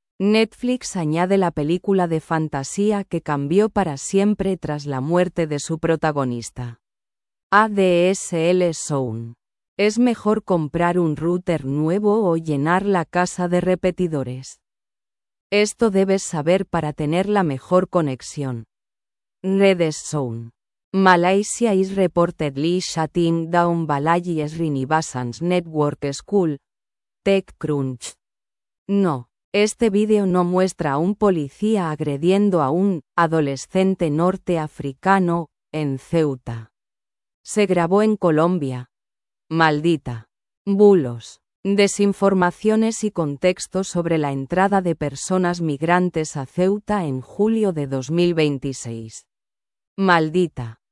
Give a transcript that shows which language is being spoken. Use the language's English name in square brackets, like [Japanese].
[Spanish] Netflix añade la película de fantasía que cambió para siempre tras la muerte de su protagonista. ADSL Zone. ¿Es mejor comprar un router nuevo o llenar la casa de repetidores? Esto debes saber para tener la mejor conexión. Redes Zone. [English] Malaysia is reportedly shutting down Balaji Srinivasan's network school. [Spanish] TechCrunch. No. Este vídeo no muestra a un policía agrediendo a un adolescente norteafricano en Ceuta. Se grabó en Colombia. Maldita. Bulos, desinformaciones y contexto sobre la entrada de personas migrantes a Ceuta en julio de 2026. Maldita.